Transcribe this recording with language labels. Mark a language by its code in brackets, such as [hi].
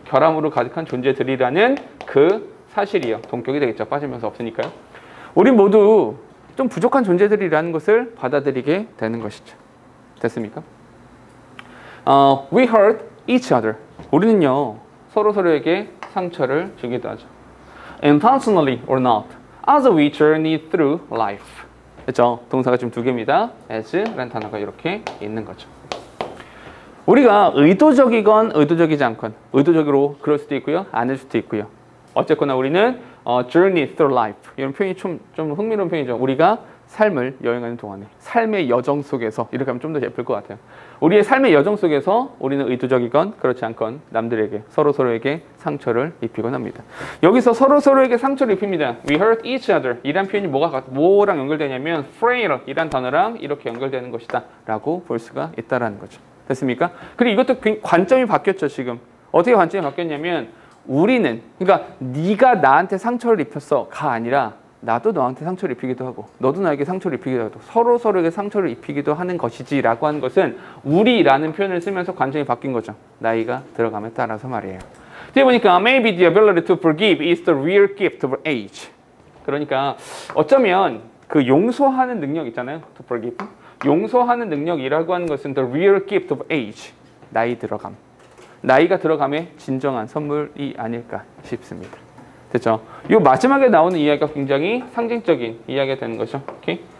[ko] 결함으로 가득한 존재들이라는 그 사실이요. 동격이 되겠죠. 빠진 명사 없으니까요. 우리 모두 좀 부족한 존재들이라는 것을 받아들이게 되는 것이죠. 됐습니까? [en] We hurt each other. [ko] 우리는요, 서로서로에게 상처를 주기도 하죠. [en] Intentionally or not, as we journey through life. [ko] 됐죠? 동사가 지금 두 개입니다. as라는 단어가 이렇게 있는 거죠. 우리가 의도적이건 의도적이지 않건, 의도적으로 그럴 수도 있고요, 아닐 수도 있고요. 어쨌거나 우리는 [en] journey through life. [ko] 이런 표현이 좀 흥미로운 표현이죠. 우리가 삶을 여행하는 동안에, 삶의 여정 속에서, 이렇게 하면 좀 더 예쁠 것 같아요. 우리의 삶의 여정 속에서 우리는 의도적이건 그렇지 않건 남들에게, 서로서로에게 상처를 입히곤 합니다. 여기서 서로서로에게 상처를 입힙니다. [en] We hurt each other. [ko] 이란 표현이 뭐랑 연결되냐면 frail 이란 단어랑 이렇게 연결되는 것이다 라고 볼 수가 있다라는 거죠. 됐습니까? 그리고 이것도 관점이 바뀌었죠, 지금. 어떻게 관점이 바뀌었냐면 우리는, 그러니까 네가 나한테 상처를 입혔어 가 아니라 나도 너한테 상처를 입히기도 하고 너도 나에게 상처를 입히기도 하고 서로서로에게 상처를 입히기도 하는 것이지 라고 하는 것은 우리라는 표현을 쓰면서 관점이 바뀐 거죠. 나이가 들어감에 따라서 말이에요. 뒤에 보니까 [en] Maybe the ability to forgive is the real gift of age. [ko] 그러니까 어쩌면 그 용서하는 능력 있잖아요. [en] To forgive. [ko] 용서하는 능력이라고 하는 것은 [en] the real gift of age. [ko] 나이 들어감. 나이가 들어감에 진정한 선물이 아닐까 싶습니다. 됐죠? 이 마지막에 나오는 이야기가 굉장히 상징적인 이야기가 되는 거죠. 오케이?